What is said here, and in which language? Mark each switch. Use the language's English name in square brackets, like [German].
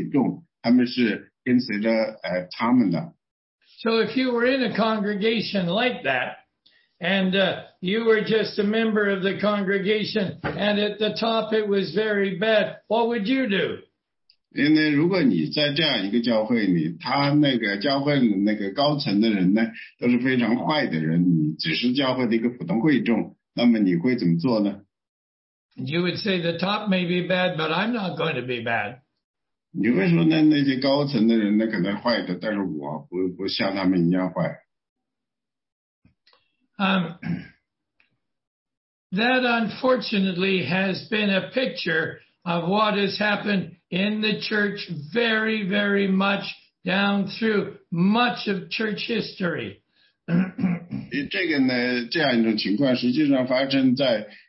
[Chinese] 这里讲到的呢，就是当时呢，提亚天纳教会他们有两类的人，一类的人呢，他们是在上面，在上面做管理的阶层的，他们实际上当时呢，他们的神学的和他们实践的都是有错误的，他们实际上这是一部分，另一部分是在他们下面，下面基本上讲的呢，就是那些在教会的会众，他们是跟随着他们的。 [English] So if you were in a congregation like that, and you were just a member of the congregation, and at the top it was very bad, what would you do? [Chinese] 因为如果你在这样一个教会里，他那个教会的那个高层的人呢，都是非常坏的人，你只是教会的一个普通会众，那么你会怎么做呢？ [English] You would say the top may be bad, but I'm not going to be bad. [Chinese] 你会说那些高层的人可能坏的，但是我不像他们一样坏。 [English] That unfortunately has been a picture of what has happened in the church very, very much down through much of church history. [Chinese] 这个呢，这样一种情况实际上发生在。